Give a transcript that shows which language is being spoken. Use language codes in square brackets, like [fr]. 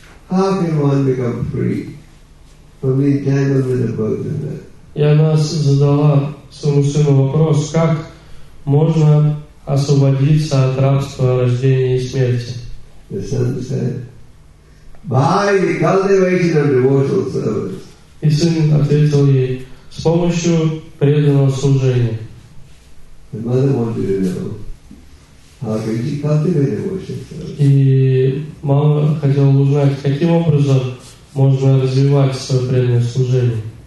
[en] How can one become free from the entanglement of both of them? [ru] И она задала своему сыну вопрос, как можно освободиться от рабства рождения и смерти? [en] The son said, by the cultivation of devotional service. [ru] И сын ответил ей, с помощью преданного служения. [en] The mother wanted to know, how can she cultivate devotional service? [ru] И мама хотела узнать, каким образом можно развивать свое преданное служение.